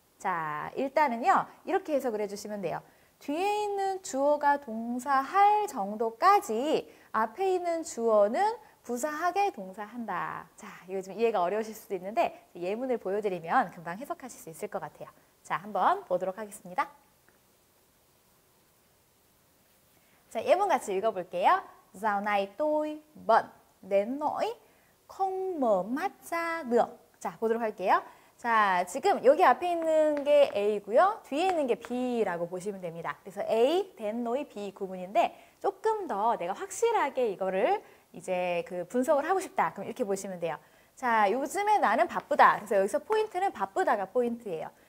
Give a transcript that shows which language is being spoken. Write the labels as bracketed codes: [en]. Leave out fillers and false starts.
[ko] 자, 일단은요, 이렇게 해석을 해주시면 돼요. 뒤에 있는 주어가 동사할 정도까지 앞에 있는 주어는 부사하게 동사한다. 자, 이거 좀 이해가 어려우실 수도 있는데 예문을 보여드리면 금방 해석하실 수 있을 것 같아요. 자, 한번 보도록 하겠습니다. 자, 예문 같이 읽어볼게요. [vi] Dạo này tôi bận đến nỗi không mở mắt ra được. [ko] 자, 보도록 할게요. 자, 지금 여기 앞에 있는 게 A고요. 뒤에 있는 게 B라고 보시면 됩니다. 그래서 A, then, no, B 구분인데 조금 더 내가 확실하게 이거를 이제 그 분석을 하고 싶다. 그럼 이렇게 보시면 돼요. 자, 요즘에 나는 바쁘다. 그래서 여기서 포인트는 바쁘다가 포인트예요.